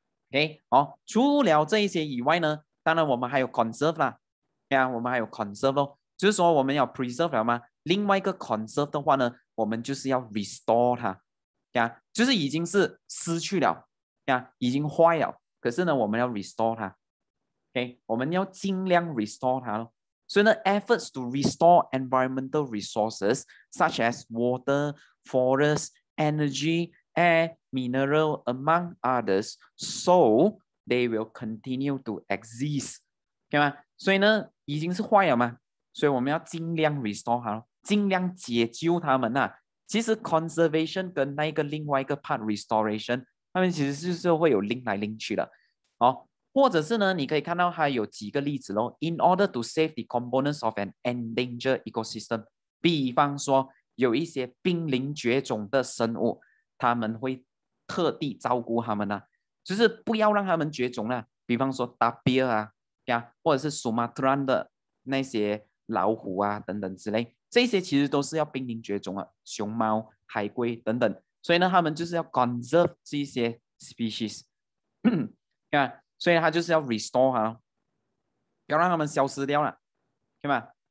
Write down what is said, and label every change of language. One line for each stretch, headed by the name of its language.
Chinese: Okay， 好，除了这一些以外呢，当然我们还有 conserve 啦，对啊，我们还有 conserve 咯，就是说我们要 preserve 了吗？另外一个 conserve 的话呢，我们就是要 restore 它，对啊，就是已经是失去了，对啊，已经坏了，可是呢，我们要 restore 它， okay， 我们要尽量 restore 它咯。所以呢，
English: efforts to restore environmental resources such as water, forest, energy,air, mineral, among others, so they will continue to exist.
Chinese: Okay, 所以呢，已经是坏了嘛，所以我们要尽量 restore 它，尽量解救它们啊。其实 conservation 跟那个另外一个 part restoration， 它们其实就是会有 link 来 link 去的。好，或者是呢，你可以看到它有几个例子咯。
English: In order to save the components of an endangered ecosystem，
Chinese: 比方说有一些濒临绝种的生物。他们会特地照顾他们、啊、就是不要让他们绝种、啊、比方说 tapir 啊， yeah， 或者是 Sumatran 的那些老虎啊等等之类，这些其实都是要濒临绝种、啊、熊猫、海龟等等，所以呢，他们就是要 conserve 这些 species， yeah， 所以他就是要 restore 啊，不要让他们消失掉了，对吧？